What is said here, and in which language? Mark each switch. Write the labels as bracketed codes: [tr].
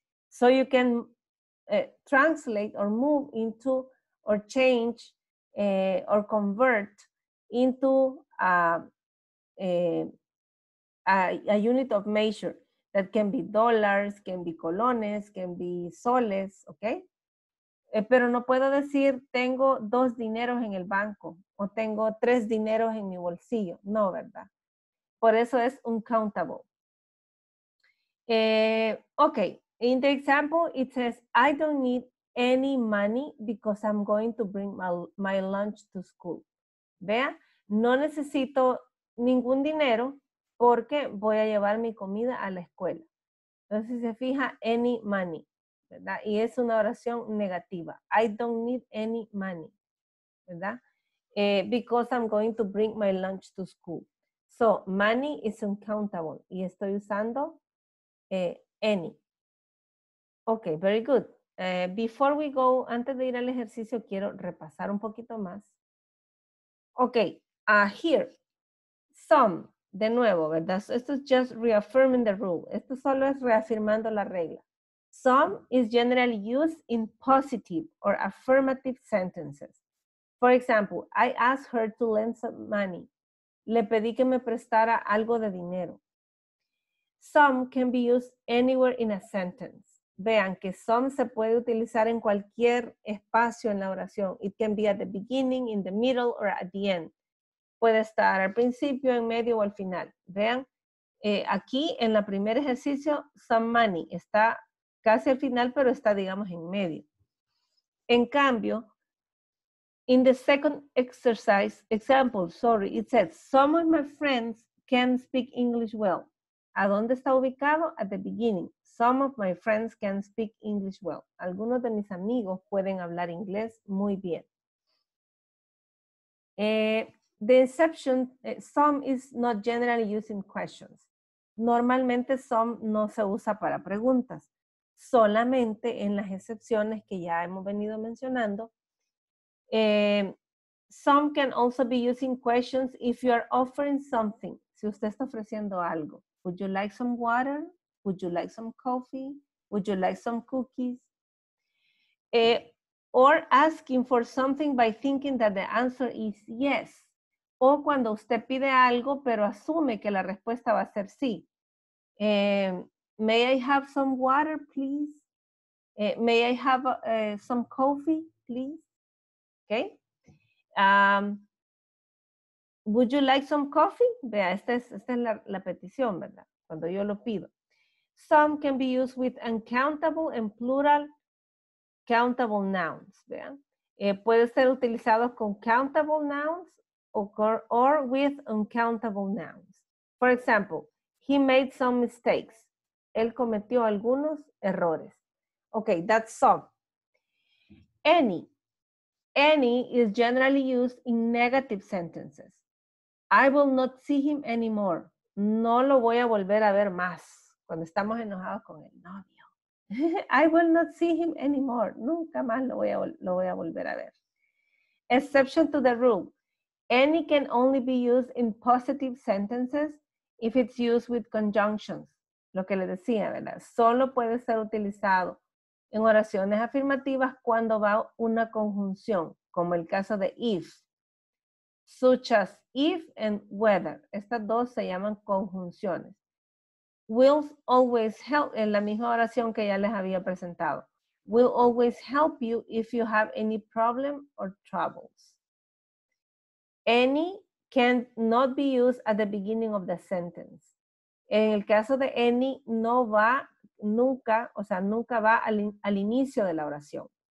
[en] So you can translate or move into or change or convert into a unit of measure that can be dollars, can be colones, can be soles, okay? [es] Pero no puedo decir tengo dos dineros en el banco o tengo tres dineros en mi bolsillo. No, ¿verdad? Por eso es uncountable. [en] Okay, in the example it says I don't need any money because I'm going to bring my lunch to school. [es] Vea, no necesito ningún dinero porque voy a llevar mi comida a la escuela. Entonces, si se fija, any money, ¿verdad? Y es una oración negativa. [en] I don't need any money, ¿verdad? Because I'm going to bring my lunch to school. So, money is uncountable. [es] Y estoy usando any. [en] Okay, very good. Before we go, [es] antes de ir al ejercicio, quiero repasar un poquito más. [en] Okay, here. Some. [es] De nuevo, ¿verdad? So, esto es [en] just reaffirming the rule. [es] Esto solo es reafirmando la regla. [en] Some is generally used in positive or affirmative sentences. For example, I asked her to lend some money. [es] Le pedí que me prestara algo de dinero. [en] Some can be used anywhere in a sentence. [es] Vean que some se puede utilizar en cualquier espacio en la oración. [en] It can be at the beginning, in the middle, or at the end. [es] Puede estar al principio, en medio o al final. Vean, aquí en el primer ejercicio, some money está casi al final, pero está, digamos, en medio. En cambio, [en] in the second exercise, example, sorry, it says, some of my friends can speak English well. [es] ¿A dónde está ubicado? [en] At the beginning. Some of my friends can speak English well. [es] Algunos de mis amigos pueden hablar inglés muy bien. [en] The exception, some is not generally used in questions. [es] Normalmente some no se usa para preguntas. Solamente en las excepciones que ya hemos venido mencionando. [en] Some can also be used in questions if you are offering something. [es] Si usted está ofreciendo algo. [en] Would you like some water? Would you like some coffee? Would you like some cookies? Or asking for something by thinking that the answer is yes. [es] O cuando usted pide algo, pero asume que la respuesta va a ser sí. [en] May I have some water, please? May I have some coffee, please? Okay. Would you like some coffee? [es] Vea, esta es la petición, ¿verdad? Cuando yo lo pido. [en] Some can be used with uncountable and plural countable nouns. [es] Vean. Puede ser utilizado con countable nouns. [en] Or with uncountable nouns. For example, he made some mistakes. [es] Él cometió algunos errores. [en] Okay, that's some. Any. any is generally used in negative sentences. I will not see him anymore. [es] No lo voy a volver a ver más. Cuando estamos enojados con el novio. [en] I will not see him anymore. [es] Nunca más lo voy a volver a ver. [en] Exception to the rule. Any can only be used in positive sentences if it's used with conjunctions. [es] Lo que le decía, ¿verdad? Solo puede ser utilizado en oraciones afirmativas cuando va una conjunción, como el caso de if. [en] Such as if and whether. [es] Estas dos se llaman conjunciones. [en] Will always help, [es] en la misma oración que ya les había presentado. [en] Will always help you if you have any problem or troubles. Any can not be used at the beginning of the sentence. [es] En el caso de any, no va nunca, o sea, nunca va al inicio de la oración.